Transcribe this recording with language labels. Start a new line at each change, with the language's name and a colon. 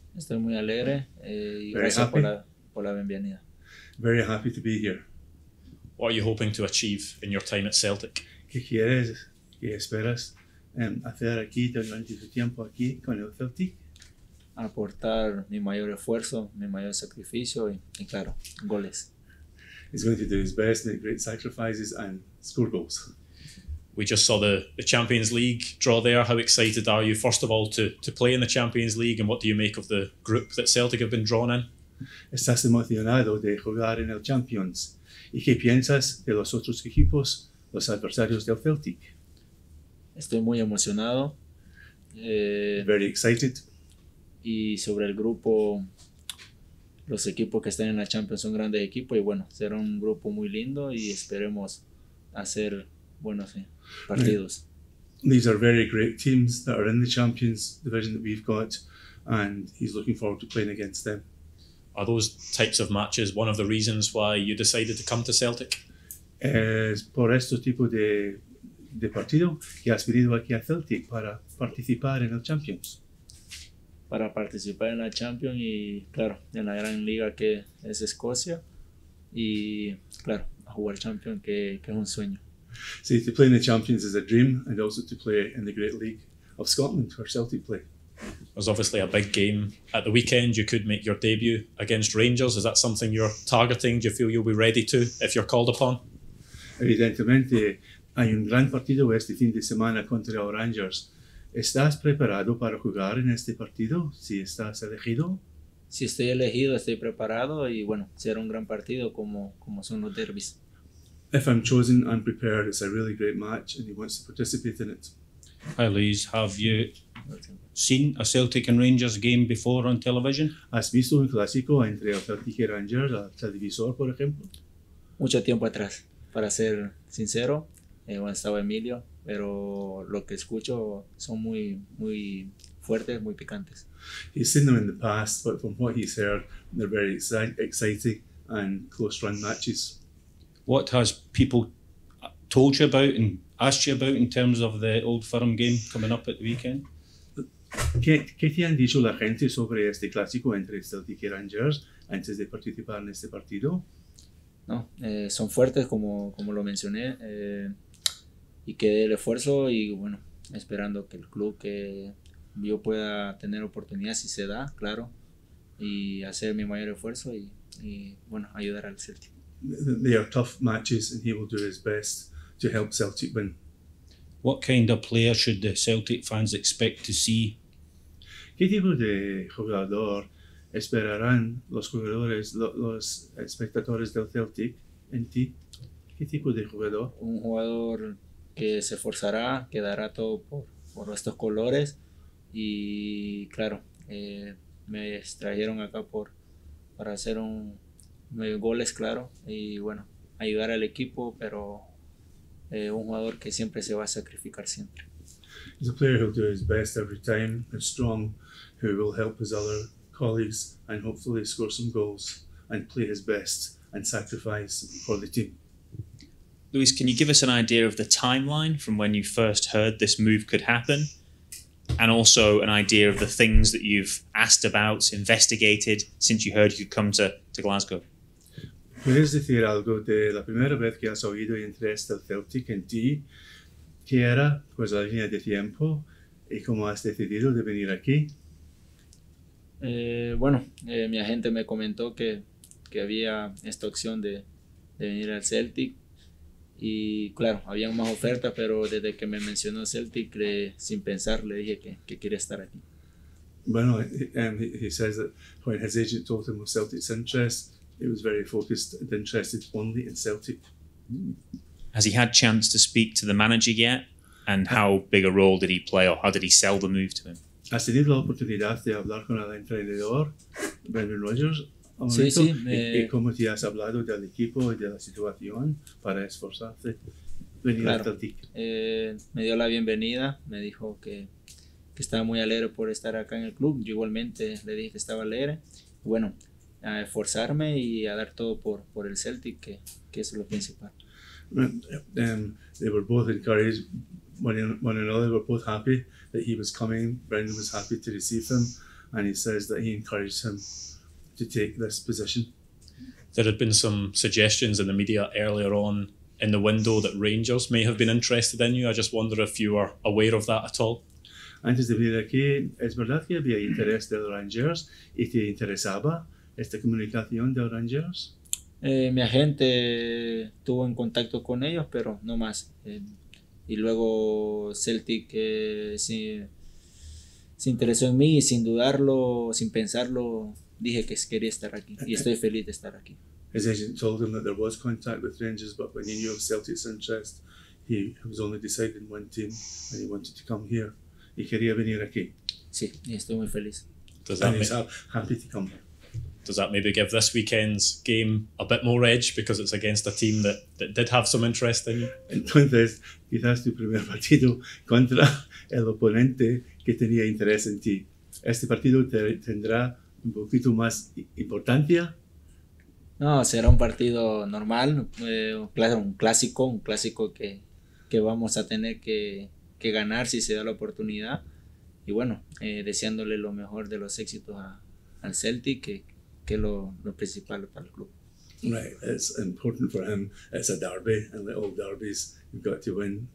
Spanish: Estoy muy alegre y gracias por la bienvenida.
English: Very happy to be here. What are you hoping to achieve in your time at Celtic?
Spanish: ¿Qué quieres? ¿Qué esperas hacer aquí durante tu tiempo aquí con el Celtic? Aportar mi mayor esfuerzo, mi mayor sacrificio y claro, goles.
English: He's going to do his best, make great sacrifices and score goals. We just saw the Champions League draw there. How excited are you, first of all, to play in the Champions League, and what do you make of the group that Celtic have been drawn in?
Spanish: ¿Estás emocionado de jugar en el Champions? ¿Y qué piensas de los otros equipos, los adversarios del Celtic? Estoy muy emocionado.
English: Very excited.
Spanish: Y sobre el grupo, los equipos que están en la Champions son grandes equipos y bueno, será un grupo muy lindo y esperemos hacer buenos partidos.
English: These are very great teams that are in the Champions division that we've got, and he's looking forward to playing against them. Are those types of matches one of the reasons why you decided to come to Celtic?
Spanish: Es por este tipo de partido que has venido aquí a Celtic para participar en el Champions. Para participar en la Champions y claro, en la gran liga que es Escocia y claro, a jugar Champions que es un sueño.
English: See, to play in the Champions is a dream, and also to play in the Great League of Scotland where Celtic play. There's obviously a big game at the weekend. You could make your debut against Rangers. Is that something you're targeting? Do you feel you'll be ready to if you're called upon?
Spanish: Evidentemente, hay un gran partido este fin de semana contra Rangers. ¿Estás preparado para jugar en este partido, si estás elegido? Si estoy elegido, estoy preparado y bueno, será un gran partido como son los derbis.
English: If I'm chosen, I'm prepared. It's a really great match and he wants to participate in it. Hi, Luis. Have you seen a Celtic and Rangers game before on television?
Spanish: ¿Has visto un clásico entre el Celtic y Rangers, al televisor, por ejemplo? Mucho tiempo atrás, para ser sincero. Bueno, estaba Emilio, pero lo que escucho son muy, muy fuertes, muy picantes.
English: He's seen them in the past, but from what he's heard, they're very exciting and close-run matches. What has people told you about and asked you about in terms of the Old Firm game coming up at the weekend?
Spanish: ¿Qué te han dicho la gente sobre este clásico entre Celtic y Rangers antes de participar en este partido? No, son fuertes, como lo mencioné. Y que dé el esfuerzo y bueno, esperando que el club que yo pueda tener oportunidad, si se da, claro, y hacer mi mayor esfuerzo y bueno, ayudar al Celtic.
English: They are tough matches and he will do his best to help Celtic win. What kind of player should the Celtic fans expect to see?
Spanish: ¿Qué tipo de jugador esperarán los jugadores, los espectadores del Celtic en ti? ¿Qué tipo de jugador? Un jugador que se esforzará, que dará todo por estos colores y claro, me extrajeron acá para hacer un goles, claro, y bueno, ayudar al equipo, pero un jugador que siempre se va a sacrificar siempre.
English: He's a player who will do his best every time, who's strong, who will help his other colleagues and hopefully score some goals and play his best and sacrifice for the team. Luis, can you give us an idea of the timeline from when you first heard this move could happen? And also an idea of the things that you've asked about, investigated, since you heard you could come to Glasgow?
Spanish: ¿Puedes decir algo de la primera vez que has oído interés del Celtic en ti? ¿Qué era? Pues la línea de tiempo. ¿Y cómo has decidido de venir aquí? Mi agente me comentó que había esta opción de venir al Celtic. Y claro, había más ofertas, pero desde que me mencionó Celtic, sin pensar, le dije que quiere estar aquí. Bueno,
English: he says that when his agent told him of Celtic's interest, he was very focused and interested only in Celtic. Has he had chance to speak to the manager yet? And how big a role did he play, or how did he sell the move to him?
Spanish: ¿Has tenido la oportunidad de hablar con el entrenador, Brendan Rodgers? Sí, sí. ¿Y cómo te has hablado del equipo y de la situación para esforzarte venir claro, a Celtic? Me dio la bienvenida, me dijo que estaba muy alegre por estar acá en el club. Yo igualmente le dije que estaba alegre. Bueno, a esforzarme y a dar todo por por el Celtic, que que es lo principal.
English: They were both encouraged one another. They were both happy that he was coming. Brendan was happy to receive him, and he says that he encouraged him to take this position. There had been some suggestions in the media earlier on in the window that Rangers may have been interested in you. I just wonder if you were aware of that at all.
Spanish: Antes de venir aquí, es verdad que había interés del Rangers y te interesaba esta comunicación del Rangers. Mi agente estuvo en contacto con ellos, pero no más. Y luego Celtic se interesó en mí y sin dudarlo, sin pensarlo, dije que quería estar aquí y estoy feliz de estar aquí.
English: His agent told him that there was contact with Rangers, but when he knew of Celtic's interest, he was only deciding one team and he wanted to come here.
Spanish: Y quería venir aquí. Sí, y estoy muy feliz.
English: Happy to come here. Does that maybe give this weekend's game a bit more edge because it's against a team that, that did have some interest in you?
Spanish: Entonces, quizás tu primer partido contra el oponente que tenía interés en ti. Este partido te, tendrá un poquito más importancia. No, será un partido normal, un clásico que vamos a tener que ganar si se da la oportunidad. Y bueno, deseándole lo mejor de los éxitos a, al Celtic, que es lo principal para el club.
English: Right, it's important for him. It's a derby, a little derbies you've got to win.